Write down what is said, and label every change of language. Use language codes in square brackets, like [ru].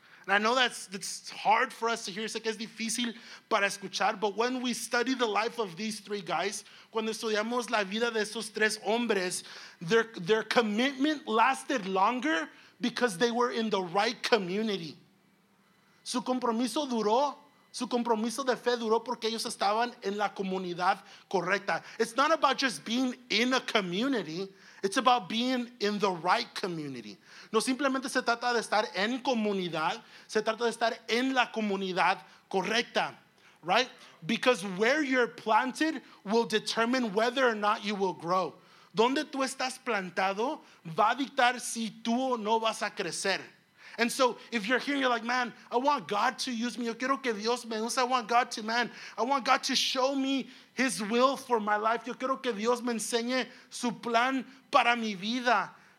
[en] And I know that's hard for us to hear, [es] sé que es difícil para escuchar, [en] but when we study the life of these three guys, [es] cuando estudiamos la vida de esos tres hombres, [en] their commitment lasted longer because they were in the right community. [es] Su compromiso de fe duró porque ellos estaban en la comunidad correcta. [en] It's not about just being in a community. It's about being in the right community. [es] No simplemente se trata de estar en comunidad. Se trata de estar en la comunidad correcta, right? [en] Because where you're planted will determine whether or not you will grow. [es] Donde tú estás plantado va a dictar si tú o no vas a crecer. [en] And so if you're here and you're like, man, I want God to use me. [es] Yo quiero que Dios me use. [en] I want God to show me his will for my life. [es] Yo quiero que Dios me enseñe su plan para mi vida.